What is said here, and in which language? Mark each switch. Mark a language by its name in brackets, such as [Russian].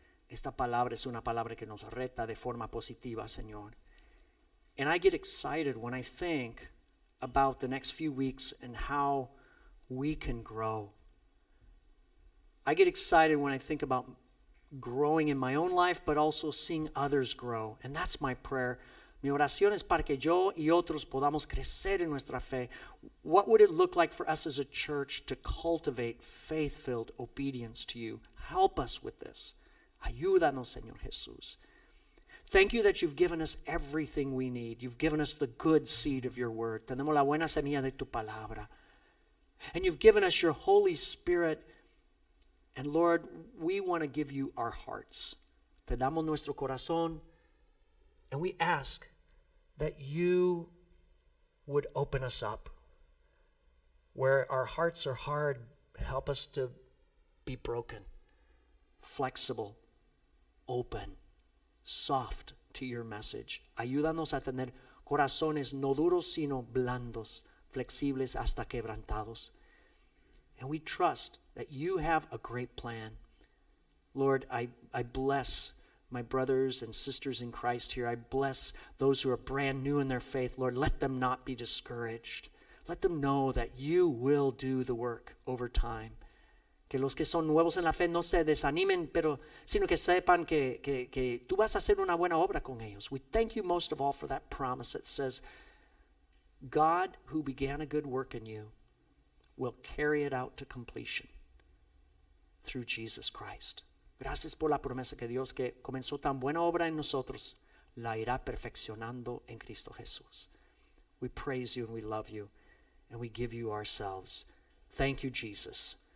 [Spanish] Esta palabra es una palabra que nos reta de forma positiva, Señor. [English] And I get excited when I think about the next few weeks and how we can grow. I get excited when I think about growing in my own life, but also seeing others grow. And that's my prayer. [Spanish] Mi oración es para que yo y otros podamos crecer en nuestra fe. [English] What would it look like for us as a church to cultivate faith-filled obedience to you? Help us with this. [Spanish] Ayúdanos, Señor Jesús. [English] Thank you that you've given us everything we need. You've given us the good seed of your word. [Spanish] Tenemos la buena semilla de tu palabra. [English] And you've given us your Holy Spirit. And Lord, we want to give you our hearts. [Spanish] Te damos nuestro corazón. [English] And we ask that you would open us up. Where our hearts are hard, help us to be broken, flexible, open, soft to your message. [Spanish] Ayúdanos a tener corazones no duros sino blandos, flexibles hasta quebrantados. [English] And we trust that you have a great plan. Lord, I bless my brothers and sisters in Christ here. I bless those who are brand new in their faith. Lord, let them not be discouraged. Let them know that you will do the work over time. [Spanish] Que los que son nuevos en la fe no se desanimen, pero sino que sepan que tú vas a hacer una buena obra con ellos. [English] We thank you most of all for that promise that says, God who began a good work in you will carry it out to completion through Jesus Christ. [Spanish] Gracias por la promesa que Dios que comenzó tan buena obra en nosotros la irá perfeccionando en Cristo Jesús. [English] We praise you and we love you and we give you ourselves. Thank you, Jesus.